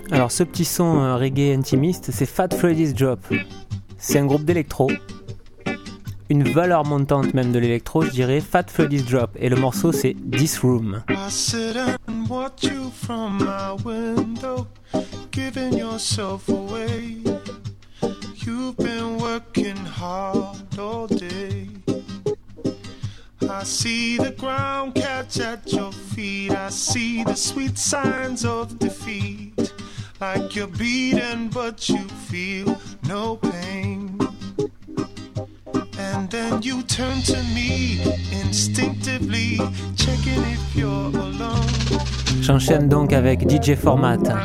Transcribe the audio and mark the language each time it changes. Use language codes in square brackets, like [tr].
[fr] Ce petit son reggae intimiste, c'est Fat Freddy's Drop. C'est un groupe d'électro. Une valeur montante même de l'électro, je dirais Fat Freddy's Drop. Et le morceau, c'est This Room. [en] I sit and watch you from my window, giving yourself away. You've been working hard all day. I see the ground catch at your feet. I see the sweet signs of defeat. Like you're beaten, but you feel no pain. And then you turn to me instinctively, checking if you're alone. [fr] J'enchaîne donc avec DJ Format.